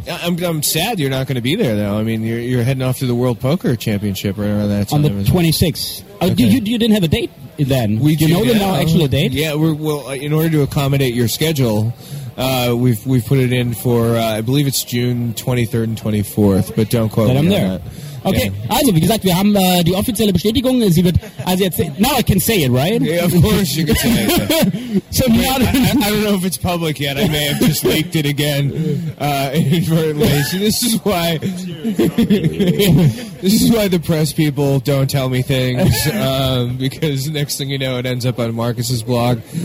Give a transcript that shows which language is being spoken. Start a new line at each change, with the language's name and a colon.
English: I'm sad you're not going to be there, though. I mean, you're heading off to the World Poker Championship right around that time. On the 26th. Okay. You didn't have a date then? Do you know the actual date? Yeah, in order to accommodate your schedule, we've put it in for, I believe it's June 23rd and 24th, but don't quote then me I'm on there. That. Okay, yeah.
German: Also, wie gesagt, wir haben die offizielle Bestätigung. Sie wird, also jetzt,
English: now I can say it, right? Yeah, of course you can say it. So I don't know if it's public yet. I may have just leaked it again inadvertently. So this is why the press people don't tell me things, because next thing you know, it ends up on Marcus's blog.